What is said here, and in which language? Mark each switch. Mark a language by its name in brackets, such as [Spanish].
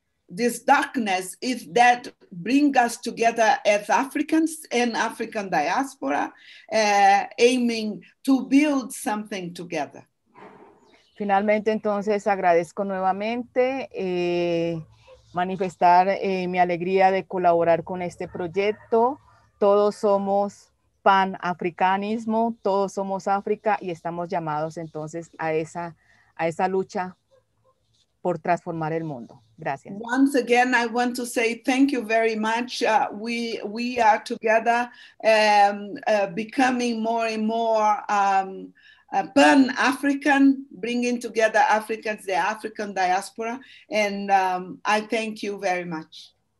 [English] This darkness is that brings us together as Africans and African diaspora, aiming to build something together. [Spanish] Finalmente, entonces, agradezco nuevamente manifestar mi alegría de colaborar con este proyecto. Todos somos pan-africanismo, todos somos África y estamos llamados entonces a esa lucha por transformar el mundo. Gracias. [English] Once again, I want to say thank you very much. We are together becoming more and more pan-African, bringing together Africans, the African diaspora, and I thank you very much.